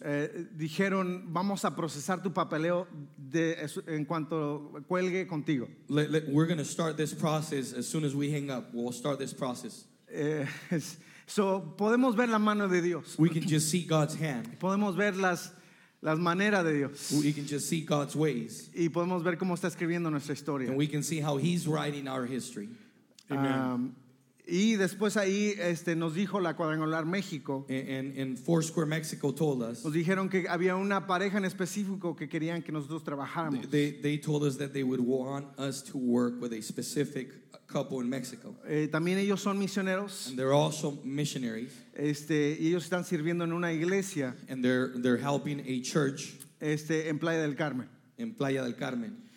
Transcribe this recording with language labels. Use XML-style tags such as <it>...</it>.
<es>Dijeron vamos a procesar tu papeleo en cuanto cuelgue contigo.</es> <en>We're going to start this process as soon as we hang up. We'll start this process.</en> <es>Podemos ver la mano de Dios.</es> <en>We can just see God's hand.</en> <es>Podemos ver las maneras de Dios.</es> <en>We can just see God's ways.</en> <es>Y podemos ver cómo está escribiendo nuestra historia.</es> <en>And we can see how he's writing our history. Amen.</en> <es>Y después ahí nos dijo la Cuadrangular México.</es> <en>And Foursquare Mexico told us.</en> <es>Nos dijeron que había una pareja en específico que querían que nosotros trabajáramos.</es> <en>They told us that they would want us to work with a specific couple in Mexico.</en> <es>También ellos son misioneros.</es> <en>And they're also missionaries.</en> <es>Y ellos están sirviendo en una iglesia.</es> <en>And they're helping a church.</en> <es>En Playa del Carmen. en Playa del Carmen.</es>